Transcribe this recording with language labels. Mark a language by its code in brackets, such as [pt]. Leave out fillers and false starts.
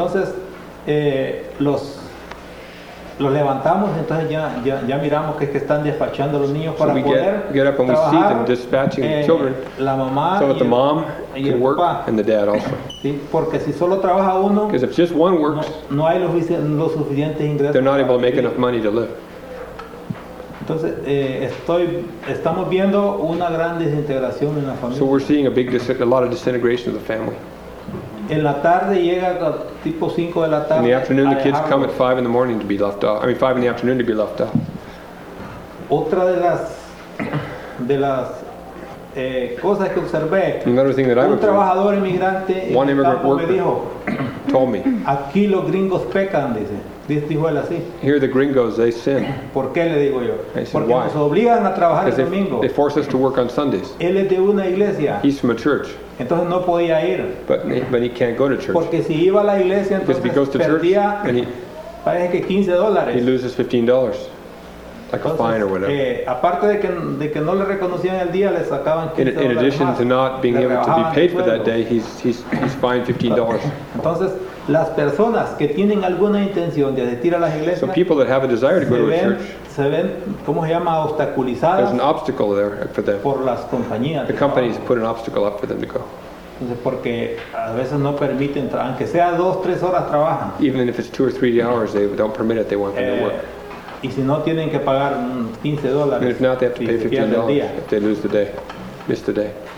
[es] Entonces, los levantamos, entonces ya miramos que están despachando los niños para poder [en] get up and [es] trabajar. [en] We see them dispatching the children. [es] La mamá [en] so that the mom can work and the dad also. [es] Sí, porque si solo trabaja uno, [en] because if just one works, [es] no hay los suficientes ingresos. [en] They're not able to make enough money to live. [es] Entonces, estamos viendo una gran desintegración en la familia. [en] So we're seeing a lot of disintegration of the family. [es] En la tarde llega tipo 5 de la tarde. [en] In the afternoon, the kids come at 5 in the morning to be left off. 5 in the afternoon to be left off. [es] Otra de las cosas que observé. [en] Another thing that [es] un trabajador inmigrante [en] one [es] en [en] immigrant worker [es] me dijo, [en] told me. [es] Aquí los gringos pecan, dice. [en] Here are the gringos, they sin. [es] ¿Por qué le digo yo? [en] Said, [es] nos obligan a trabajar el domingo. [en] They force us to work on Sundays. [es] Él es de una iglesia. [en] He's from a church. [es] Entonces no podía ir. [en] But he can't go to church. [es] Porque si iba a la iglesia, entonces [en] if he goes to [es] perdía, [en] church, and [es] parece que $15. [en] He loses $15. Like [es] entonces, [en] a fine or whatever. [es] Aparte de que no le reconocían el día, le sacaban [en] in addition [es] más, [en] to not being able to be paid for that day, he's fined $15. [es] Entonces, las personas que tienen alguna intención de asistir a las iglesias, [en] so people that have a desire to go to a church, [es] se ven, ¿cómo se llama? Obstaculizadas. [en] There's an obstacle there for them. [es] Por las compañías. [en] The companies put an obstacle up for them to go. [es] Entonces, porque a veces no permiten, aunque sea 2-3 horas trabajan. [en] Even if it's 2 or 3 hours, they don't permit it. They want them to work. [es] Y si no tienen que pagar $15. [en] And if not, they have to pay $15 if they lose the day, miss the day.